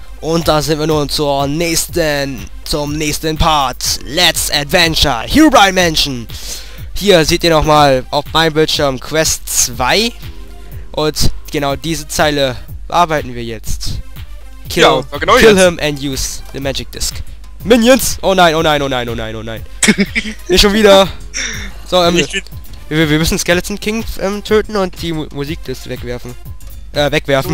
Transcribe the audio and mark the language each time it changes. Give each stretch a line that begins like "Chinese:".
German: Und da sind wir nun zum nächsten Part.
English: Let's Adventure, Herobrine Mansion.
German: Hier seht ihr nochmal auf meinem Bildschirm Quest 2. Und genau diese Zeile bearbeiten wir jetzt.
English: Kill,
German: ja, genau
English: kill
German: jetzt.
English: Him and use the magic disc. Minions!
German: Oh nein, oh nein, oh nein, oh nein, oh nein. Nicht schon wieder. So, wir müssen Skeleton King töten und die Musik disc wegwerfen. Wegwerfen.